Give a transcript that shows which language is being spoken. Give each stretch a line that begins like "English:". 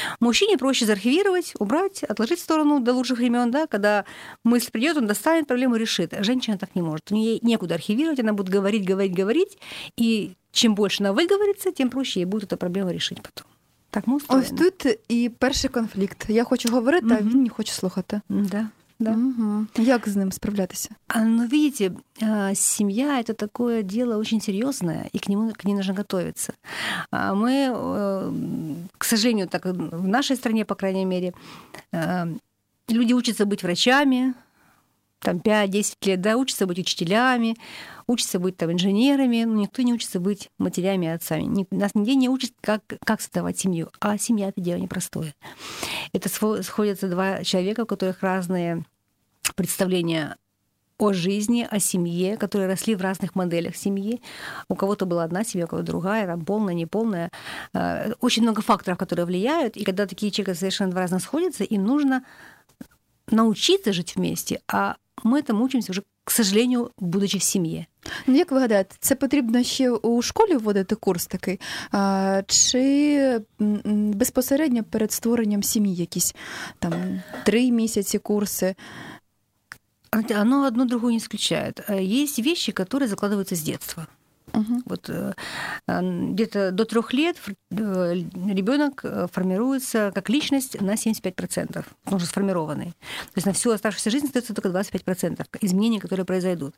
Russian: Мужчине проще заархивировать, убрать, отложить в сторону до лучших времен, да, когда мысль придет, он достанет проблему, решит. Женщина так не может. У нее некуда архивировать, она будет говорить, говорить, говорить. И чем больше она выговорится, тем проще ей будет эту проблему решить потом. Так мы устроены.
Ukrainian: Ось тут
Russian: и первый конфликт. Я хочу говорить, угу. А он не хочет слушать. Да. Да.
Ukrainian: Угу. Як з ним справлятися? Ну, видите, сім'я – це таке діло дуже серйозне, і к ній треба готуватися. Ми,
Russian: к сожалению,
Ukrainian: так в нашій країні,
Russian: по крайней мере,
Ukrainian: люди вчаться бути врачами, там 5-10 років, да, вчаться бути вчителями, вчаться бути там інженерами, ну, ніхто не вчиться бути матерями і отцами. Нас ніде не вчить, як створювати сім'ю, а сім'я – це діло непросте.
Russian: Это сходятся два человека, у которых разные представления о жизни, о семье, которые росли в разных моделях семьи. У кого-то была одна семья, у кого-то другая, там полная, неполная. Очень много факторов, которые влияют. И когда такие человека совершенно два разных сходятся, им нужно научиться жить вместе, а мы этому учимся уже, к сожалению, будучи в семье.
Ukrainian: Ну, як ви гадаєте, це потрібно ще у школі вводити курс такий? Чи безпосередньо перед створенням сім'ї якісь там 3 місяці курси?
Russian: Оно одно другое не исключает. Есть вещи, которые закладываются с детства. Угу. Вот где-то до 3 лет ребенок формируется как личность на 75%. Он уже сформированный. То есть на всю оставшуюся жизнь остается только 25% изменений, которые произойдут.